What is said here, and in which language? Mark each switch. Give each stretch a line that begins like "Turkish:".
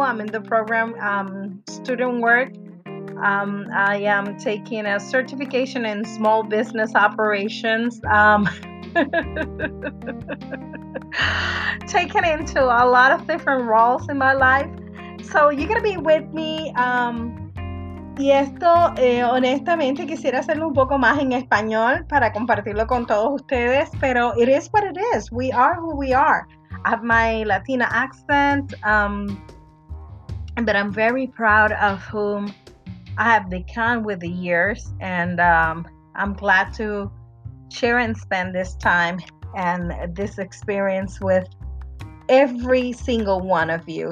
English: I'm in the program, student work. I am taking a certification in small business operations, taken into a lot of different roles in my life. So you're going to be with me.
Spanish: Y esto, honestamente, quisiera hacerlo un poco más en español para compartirlo con todos ustedes, pero
English: it is what it is. We are who we are. I have my Latina accent, but I'm very proud of whom I have become with the years, and I'm glad to share and spend this time and this experience with every single one of you.